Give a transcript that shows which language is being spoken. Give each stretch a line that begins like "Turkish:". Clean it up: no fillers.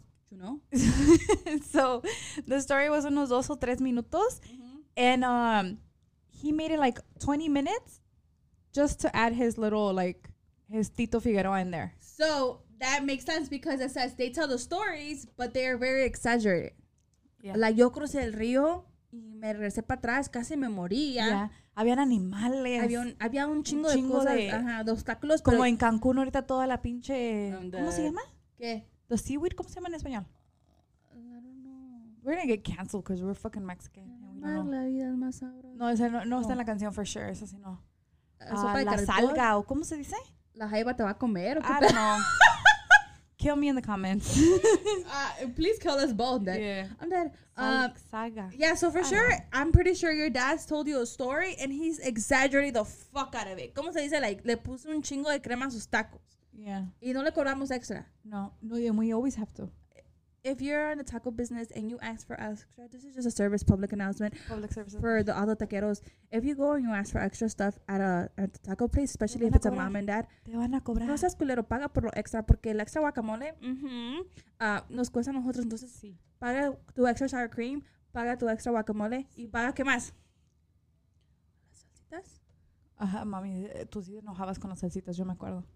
English: You know? So, the story was
Spanish: unos dos o tres minutos.
English: Mm-hmm. And he made it like 20 minutes just to add his little, like, his Tito Figueroa in there. So, that makes sense because it says they tell the stories, but they are very exaggerated. Yeah. Like,
Spanish: yo crucé el río. Y me regresé para atrás, casi me moría.
English: Yeah.
Spanish: Habían animales. Había un chingo de cosas. De, ajá, de obstáculos. Como en Cancún ahorita toda la pinche... ¿Cómo se llama? ¿Qué?
English: The seaweed,
Spanish: ¿cómo se llama en español?
English: I don't know. We're gonna get canceled because we're fucking Mexican.
Spanish: La vida es más sabrosa. No, esa no está en la canción
English: for sure,
Spanish: esa sí no. La salga, ¿o cómo se dice? La jaiba te va a comer.
English: I don't know. Kill me in the comments. Please kill us both. Dead. Yeah. I'm dead. Saga. Yeah, so for I sure, know. I'm pretty sure your dad's told you a story and he's exaggerated the fuck out of it.
Spanish: ¿Cómo se dice?
English: Like,
Spanish: le puso un chingo de crema a sus tacos.
English: Yeah.
Spanish: Y no le cobramos extra.
English: No, and we always have to. If you're in the taco business and you ask for extra, this is just a service, public announcement. Public service. For the other taqueros. If you go and you ask for extra stuff at a taco place, especially if it's a mom and dad.
Spanish: Te van a cobrar. No seas culero, paga por lo extra, porque el extra guacamole nos cuesta a nosotros. Entonces, sí. Paga tu extra sour cream, paga tu extra guacamole, y paga, ¿qué más? ¿Las salsitas? Ajá, mami, tú sí enojabas con las salsitas, yo me acuerdo.